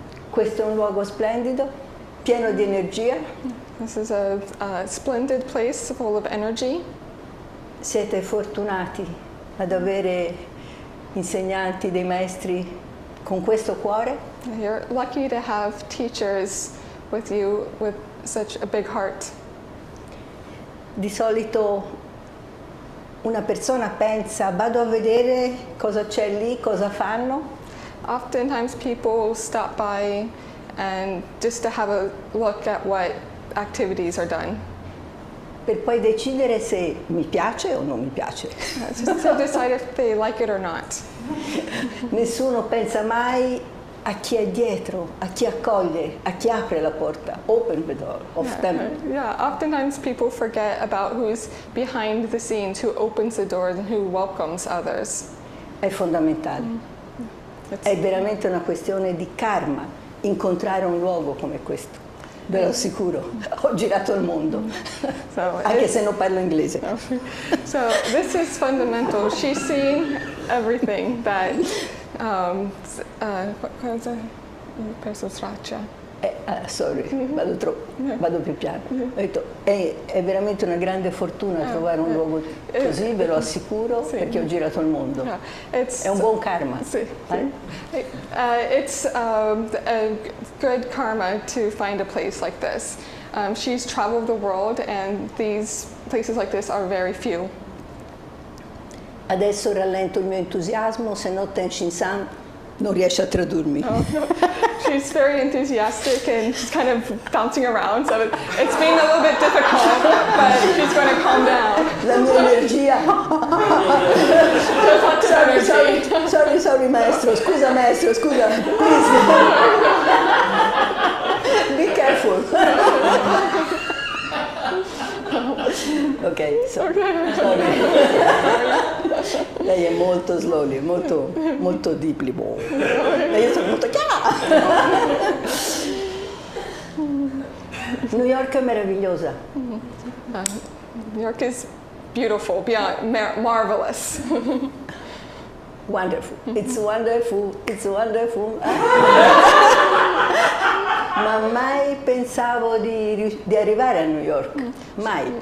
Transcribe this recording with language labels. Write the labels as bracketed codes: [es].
[it] Questo è un luogo splendido, pieno di energia. [en] This is a splendid place, full of energy. [it] Siete fortunati ad avere insegnanti, dei maestri con questo cuore. [en] You're lucky to have teachers with you with such a big heart. [it] Di solito una persona pensa, vado a vedere cosa c'è lì, cosa fanno. [en] Oftentimes people stop by and just to have a look at what activities are done. [it] Per poi decidere se mi piace o non mi piace. [en] Just to decide if they like it or not. [it] Nessuno pensa mai a chi è dietro, a chi accoglie, a chi apre la porta. [en] Open the door of them. Yeah, oftentimes people forget about who's behind the scenes, who opens the door and who welcomes others. [it] È fondamentale. È veramente una questione di karma incontrare un luogo come questo. Ve lo assicuro, ho girato il mondo, anche se non parlo inglese. [en] So, this is fundamental. She's seen everything that... [it] cosa? Ho perso traccia. Sorry, vado troppo, vado più piano. Ho detto, è veramente una grande fortuna trovare un luogo così, ve lo assicuro, sì, perché ho girato il mondo. È un buon karma. Sì, sì. [en] It's a good karma to find a place like this. She's traveled the world, and these places like this are very few. [it] Adesso rallento il mio entusiasmo, se no Ten Shin San non riesce a tradurmi. [en] She's very enthusiastic and she's kind of bouncing around, so it's been a little bit difficult, but she's going to calm down. [it] La mia energia. [en] sorry, [it] maestro. Scusa, maestro, scusa. Please. [en] Be careful. Okay, sorry. [it] Lei è molto slowly, molto, molto [en] deeply bold. [it] E io sono molto chiara. New York è meravigliosa. [en] New York is beautiful, beyond marvelous. Wonderful. It's wonderful. It's wonderful. [it] ma mai pensavo di arrivare a New York, mai.